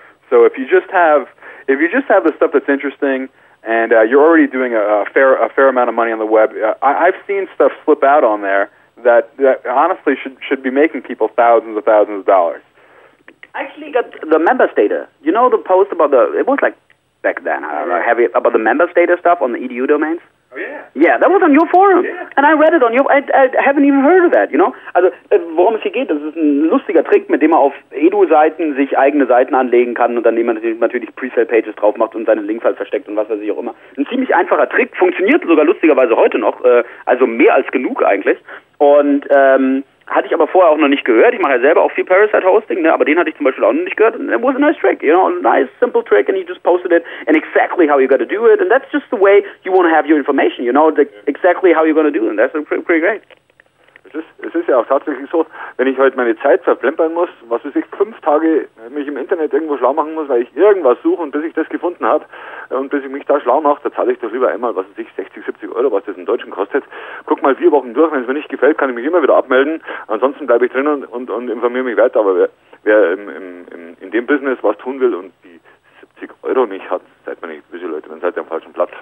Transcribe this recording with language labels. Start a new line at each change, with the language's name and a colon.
English: So if you just have the stuff that's interesting, and you're already doing a fair amount of money on the web, I've seen stuff slip out on there that honestly should be making people thousands and thousands of dollars. I actually got the members data. You know the post about about the members data stuff on the EDU domains? Oh, yeah. Yeah, that was on your forum. Yeah. And I read it on your, I haven't even heard of that, you know?
German: Also, worum es hier geht, das ist ein lustiger Trick, mit dem man auf Edu-Seiten sich eigene Seiten anlegen kann und dann natürlich Pre-Sale-Pages drauf macht und seine Links halt versteckt und was weiß ich auch immer. Ein ziemlich einfacher Trick, funktioniert sogar lustigerweise heute noch, also mehr als genug eigentlich. Und, hatte ich aber vorher auch noch nicht gehört. Ich mache ja selber auch viel Parasite-Hosting, ne? Aber den hatte ich zum Beispiel auch noch nicht gehört.
English: And it was a nice trick, you know, a nice, simple trick, and you just posted it, and exactly how you got to do it, and that's just the way you want to have your information, you know, exactly how you're going to do it, and that's pretty great.
German: Es ist ja auch tatsächlich so, wenn ich heute meine Zeit verplempern muss, was weiß ich, 5 Tage mich im Internet irgendwo schlau machen muss, weil ich irgendwas suche und bis ich das gefunden habe und bis ich mich da schlau mache, da zahle ich doch lieber einmal, was weiß ich, 60, 70 Euro, was das im Deutschen kostet. Guck mal 4 Wochen durch, wenn es mir nicht gefällt, kann ich mich immer wieder abmelden. Ansonsten bleibe ich drin und informiere mich weiter. Aber wer in dem Business was tun will und die 70 Euro nicht hat, seid mir nicht böse, Leute, dann seid ihr am falschen Platz.